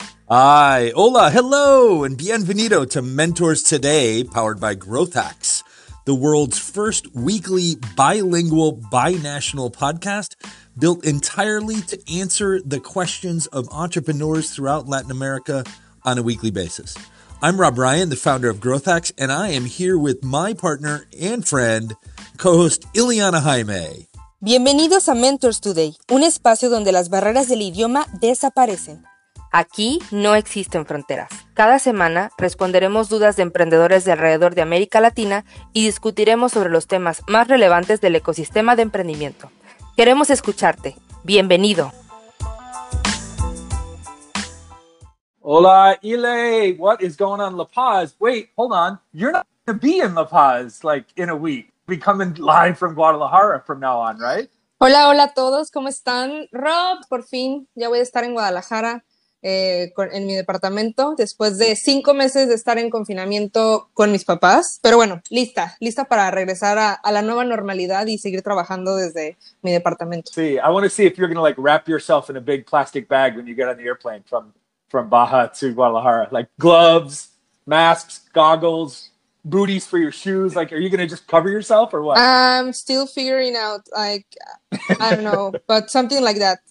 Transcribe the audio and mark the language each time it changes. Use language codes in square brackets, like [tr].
[en] Hi, [es] hola, [en] hello, and [es] bienvenido [en] to Mentors Today, powered by Growth Hacks, the world's first weekly bilingual, binational podcast built entirely to answer the questions of entrepreneurs throughout Latin America on a weekly basis. I'm Rob Ryan, the founder of Growth Hacks, and I am here with my partner and friend, co-host Ileana Jaime. [es] Bienvenidos a Mentors Today, un espacio donde las barreras del idioma desaparecen. Aquí no existen fronteras. Cada semana responderemos dudas de emprendedores de alrededor de América Latina y discutiremos sobre los temas más relevantes del ecosistema de emprendimiento. Queremos escucharte. Bienvenido. Hola, Ile. [en] What is going on, La Paz? Wait, hold on. You're not going to be in La Paz like in a week. We're coming live from Guadalajara from now on, right? [es] Hola, hola a todos, ¿cómo están? Rob, por fin, ya voy a estar en Guadalajara, en mi departamento, después de 5 meses de estar en confinamiento con mis papás. Pero bueno, lista, lista para regresar a la nueva normalidad y seguir trabajando desde mi departamento. Sí, [en] I want to see if you're going to like wrap yourself in a big plastic bag when you get on the airplane from Baja to Guadalajara. Like gloves, masks, goggles, booties for your shoes. Like, are you going to just cover yourself or what? I'm still figuring out, like, I don't know, but something like that.